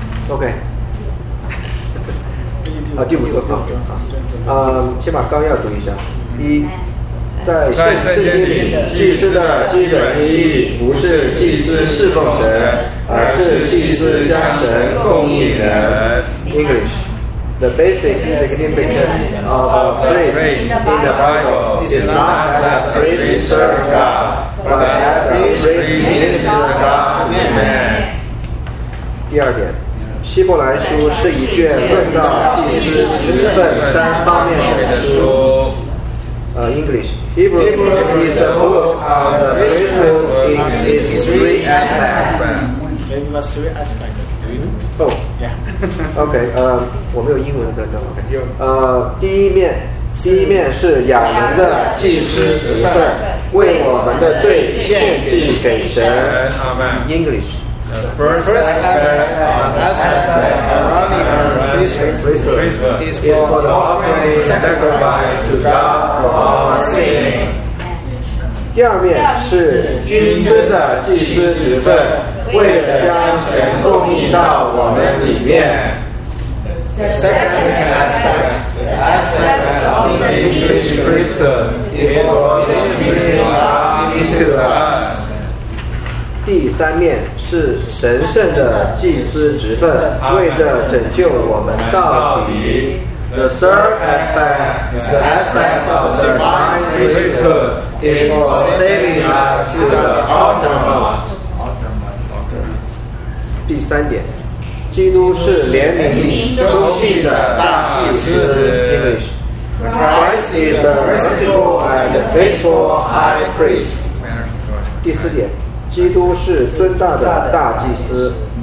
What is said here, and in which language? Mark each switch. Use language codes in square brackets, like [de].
[zh] OK， 啊，第五周啊，先把纲要读一下。一，在圣经里，祭司的基本意义不是祭司侍奉神，而是祭司将神供应人。 [en] English。 The basic significance of a priest in the Bible is not that a priest serves God, but that a priest ministers God to man. [zh] 第二点，希伯来书是一卷论到祭司职分三方面的书。 [en] English. Hebrews is a book on the priesthood in its three aspects. Maybe the three aspects. [zh] OK， 我没有英文的在这儿。第一面，第一面是亚伦的祭司职分，为我们的罪献祭给神。 [en] English。 First aspect of Aaronic priesthood is for the offering sacrifice to God for our sins。 [zh] 第二面是君尊的祭司职分。为了将神供应到我们里面。 [en] The second aspect, the aspect of the English priesthood is for ministering to us. [zh] 第三面是神圣的祭司职分，为着拯救我们到底。 [en] The third aspect is the aspect of the divine priesthood is for saving us to the uttermost. [zh] 第三点，基督是怜悯周济的大祭司。 [en] Christ is a merciful and faithful high priest. [zh] 第四点，基督是尊大的大祭司。